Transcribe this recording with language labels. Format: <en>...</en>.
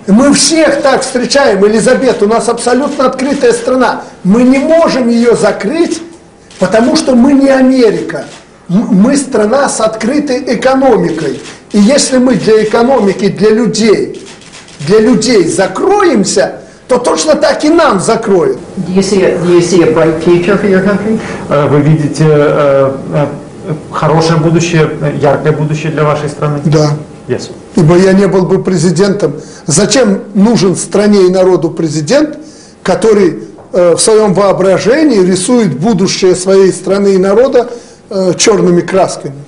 <ru>Мы всех так встречаем, Элизабет. У нас абсолютно открытая страна. Мы не можем ее закрыть, потому что мы не Америка. Мы страна с открытой экономикой. И если мы для экономики, для людей закроемся, то точно так и нам закроют.</ru> <en>Do you see a bright future for your country?</en> <ru>Вы видите хорошее будущее, яркое будущее для вашей страны? Да.</ru> <en>Yes.</en> <ru>Ибо я не был бы президентом. Зачем нужен стране и народу президент, который в своем воображении рисует будущее своей страны и народа черными красками?</ru>